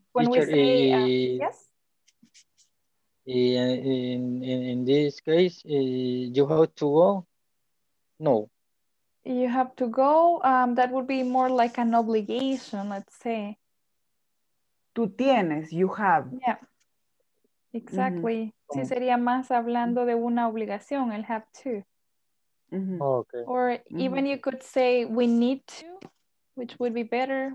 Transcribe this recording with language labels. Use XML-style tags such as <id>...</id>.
<en>When teacher, we say, yes? In this case, you have to go? No. You have to go? That would be more like an obligation, let's say.</en> <es>Tú tienes,</es> <en>you have. Yeah. Exactly. Mm-hmm.</en> <es>Sí, sería más hablando de una obligación, el</es> <en>have to. Mm-hmm. Oh, okay. Or even mm-hmm. you could say we need to, which would be better.</en>